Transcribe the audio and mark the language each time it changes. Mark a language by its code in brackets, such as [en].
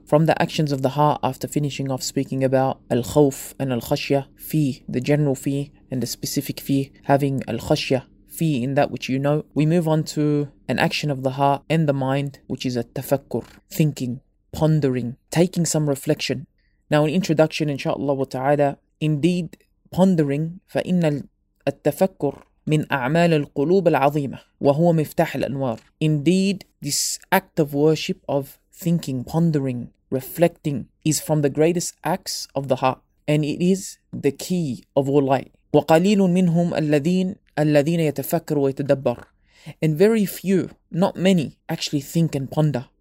[en] From the actions of the heart, after finishing off speaking about الخوف and الخشية, fear, the general fear and the specific fear, having الخشية, fear in that which you know, we move on to an action of the heart and the mind, which is التفكر, thinking, pondering, taking some reflection. Now in introduction, inshallah ta'ala, indeed, pondering, [ar] فإن التفكر من أعمال القلوب العظيمة وهو مفتاح الأنوار. [en] Indeed, this act of worship, of thinking, pondering, reflecting, is from the greatest acts of the heart, and it is the key of all light. [ar] وقليل منهم الذين يتفكر ويتدبر. [en] And very few, not many, actually think and ponder.